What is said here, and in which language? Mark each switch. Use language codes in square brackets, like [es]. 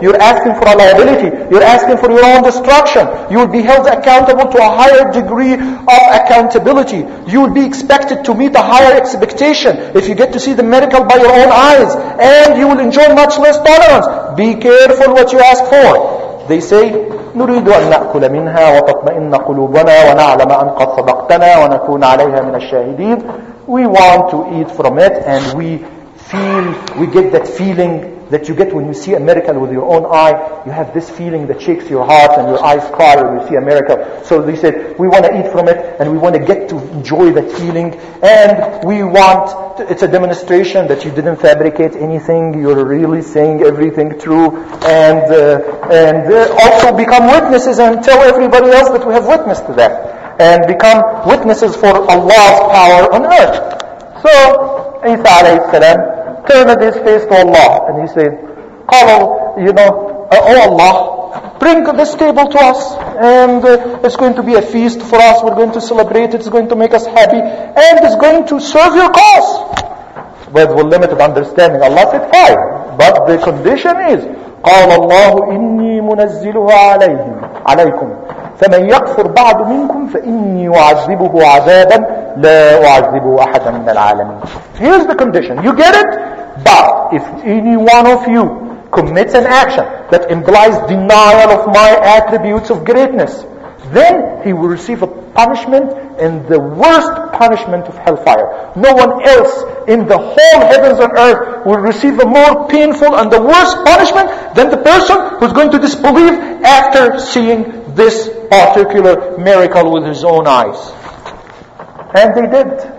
[en] You're asking for a liability. You're asking for your own destruction. You will be held accountable to a higher degree of accountability. You will be expected to meet a higher expectation if you get to see the miracle by your own eyes. And you will enjoy much less tolerance. Be careful what you ask for. They say, [ar] نريد أن نأكل منها وتطمئن قلوبنا ونعلم أن قد صدقتنا ونكون عليها من الشاهدين. [en] We want to eat from it, and we get that feeling that you get when you see a miracle with your own eye. You have this feeling that shakes your heart and your eyes cry when you see a miracle. So they said, we want to eat from it and we want to get to enjoy that feeling. And we want, it's a demonstration that you didn't fabricate anything. You're really saying everything true. And also become witnesses and tell everybody else that we have witnessed that. And become witnesses for Allah's power on earth. So, Isa alayhi salam turned his face to Allah and he said, Oh Allah, bring this table to us, and it's going to be a feast for us. We're going to celebrate it. It's going to make us happy, and it's going to serve your cause. With limited understanding, Allah said, fine. But the condition is, [ar] قال الله إني منزلها عليهم عليكم فمن يكفر بعد منكم فإني أعذبه عذابا لا أعذبه أحدا من العالمين. [en] Here's the condition. You get it? But if any one of you commits an action that implies denial of my attributes of greatness, then he will receive a punishment, and the worst punishment of hellfire. No one else in the whole heavens and earth will receive a more painful and the worst punishment than the person who's going to disbelieve after seeing this particular miracle with his own eyes. And they did.